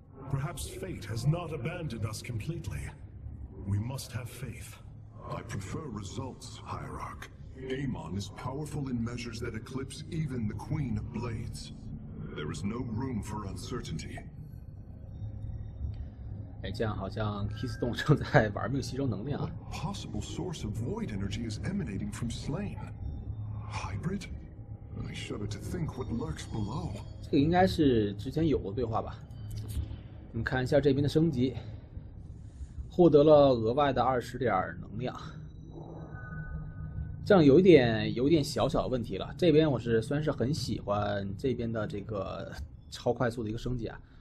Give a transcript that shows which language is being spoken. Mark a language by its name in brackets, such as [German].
[English] Perhaps fate has not abandoned us completely. We must have faith. I prefer results, Hierarch. Amon is powerful in measures that eclipse even the Queen of Blades. There is no room for uncertainty. [Chinese] 哎，这样好像 Keystone 正在玩命吸收能量。 [English] What possible source of void energy is emanating from Slain? Hybrid? I shudder to think what lurks below. [Chinese] 这个应该是之前有过对话吧？我们看一下这边的升级，获得了额外的20点能量。这样有点小小的问题了。这边我是虽然是很喜欢这边的这个超快速的一个升级啊。